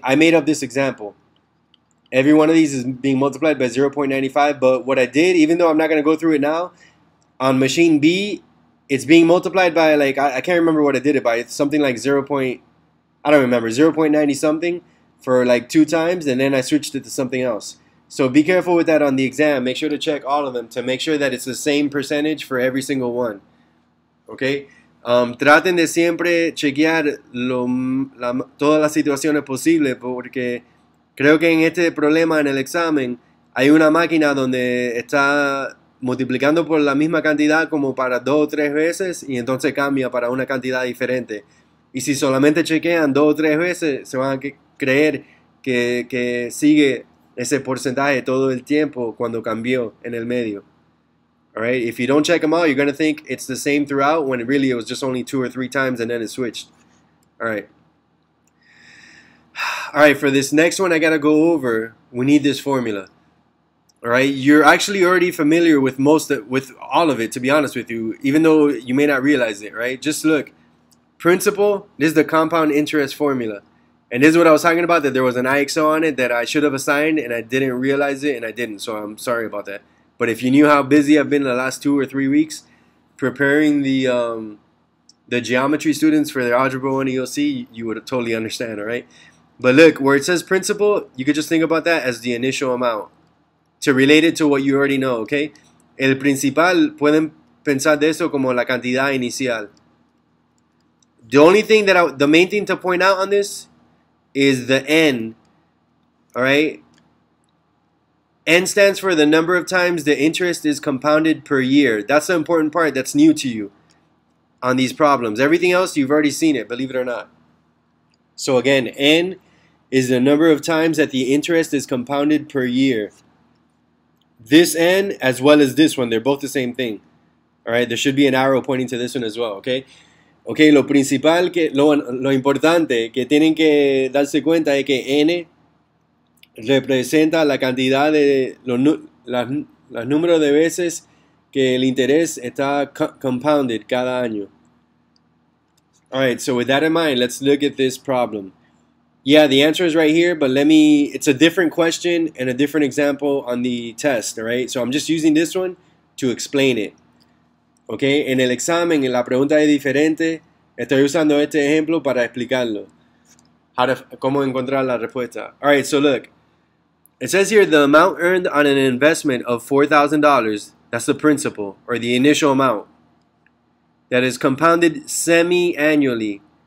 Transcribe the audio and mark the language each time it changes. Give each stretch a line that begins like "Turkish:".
English: I made up this example. Every one of these is being multiplied by 0.95, but what I did, even though I'm not going to go through it now, on machine B, it's being multiplied by, like, I can't remember what I did it by. It's something like 0.90-something for, like, two times, and then I switched it to something else. So be careful with that on the exam. Make sure to check all of them to make sure that it's the same percentage for every single one, okay?
Spanish: Traten de siempre chequear todas las situaciones posibles porque creo que en este problema en el examen hay una máquina donde está multiplicando por la misma cantidad como para dos o tres veces y entonces cambia para una cantidad diferente. Y si solamente chequean dos o tres veces, se van a creer que sigue ese porcentaje todo el tiempo cuando cambió en el medio.
English: All right, if you don't check them out, you're going to think it's the same throughout when really it was just only two or three times and then it switched. All right. All right, for this next one I got to go over, we need this formula. All right, you're actually already familiar with with all of it, to be honest with you, even though you may not realize it, right? Just look, principal, this is the compound interest formula. And this is what I was talking about, that there was an IXO on it that I should have assigned and I didn't realize it and I didn't, so I'm sorry about that. But if you knew how busy I've been in the last two or three weeks preparing the geometry students for their Algebra 1 EOC, you would totally understand, all right? But look, where it says principal, you could just think about that as the initial amount to relate it to what you already know, okay?
Spanish: El principal, pueden pensar de eso como la cantidad inicial.
English: The only thing that the main thing to point out on this is the N, all right? N stands for the number of times the interest is compounded per year. That's the important part that's new to you on these problems. Everything else, you've already seen it, believe it or not. So again, N is the number of times that the interest is compounded per year. This N as well as this one, they're both the same thing. All right, there should be an arrow pointing to this one as well, okay?
Spanish: Okay, lo principal, lo importante que tienen que darse cuenta es que N representa la cantidad de los números de veces que el interés está compounded cada año.
English: All right, so with that in mind, let's look at this problem. Yeah, the answer is right here, but it's a different question and a different example on the test, all right? So I'm just using this one to explain it.
Spanish: Okay, en el examen, en la pregunta es diferente, estoy usando este ejemplo para explicarlo. ¿Cómo encontrar la respuesta?
English: All right, so look. It says here the amount earned on an investment of $4,000, that's the principal, or the initial amount, that is compounded semi-annually.